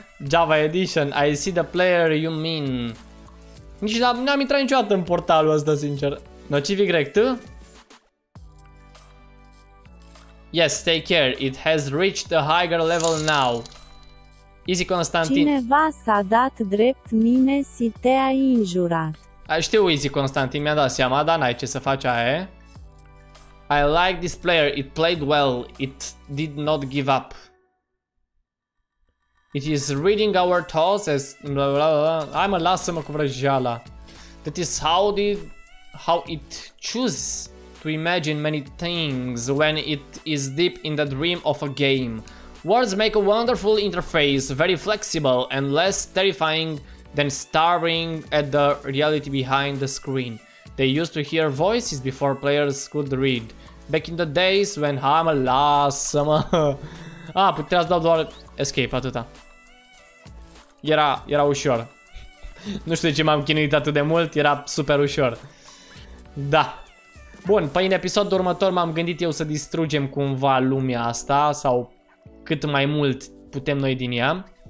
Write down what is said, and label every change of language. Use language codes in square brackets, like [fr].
[en] Java Edition, I see the player you mean. [ro] Nici n-am intrat niciodată în portalul ăsta, sincer. Nociv YT? [en] Yes, take care, it has reached a higher level now. Izzy Constantin. [ro] Cineva s-a dat drept mine și te-a injurat. Știu, Izzy Constantin, mi-a dat seama, dar n-ai ce să faci aia, e? [en] I like this player, it played well, it did not give up. It is reading our thoughts as... [ro] Hai mă, lasă-mă cu vrăjeala. [en] That is how it chooses to imagine many things when it is deep in the dream of a game. Words make a wonderful interface, very flexible and less terrifying than staring at the reality behind the screen. They used to hear voices before players could read. Back in the days when... [ro] Hai mă, lasă-mă. Ah, puteam să dau doar escape, atâta. era ușor. Nu știu de ce m-am chinuit atât de mult, era super ușor. Da. Bun, păi în episodul următor m-am gândit eu să distrugem cumva lumea asta sau cât mai mult putem noi din ea.